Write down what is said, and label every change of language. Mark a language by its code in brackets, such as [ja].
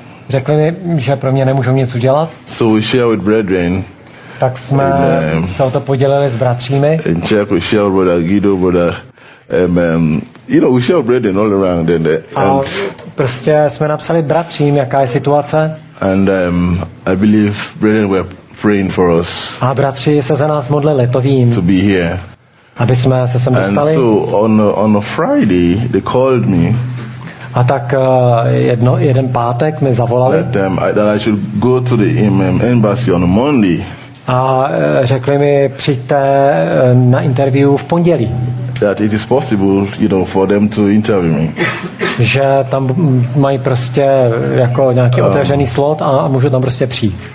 [cs] Řekli mi, že pro mě nemůžou nic udělat. [en] So we share with brethren. [cs] Tak jsme se o to podělili s bratřími. [en] In Czech we share brother Guido, brother, we share brethren all around. And [cs] prostě jsme napsali bratřím, jaká je situace. [en] And I believe brethren were praying for us. [cs] A bratři se za nás modlili, to vím. [en] To be here. [cs] Aby jsme se sem dostali. [en] And so on a Friday they called me. [cs] A tak jeden pátek mi zavolali. [en] That I should go to the embassy on Monday. [cs] A řekli mi, přijďte na interview v pondělí. [en] That it is possible, you know, for them to interview me. [cs] Že tam mají prostě jako nějaký otevřený slot a můžu tam prostě přijít.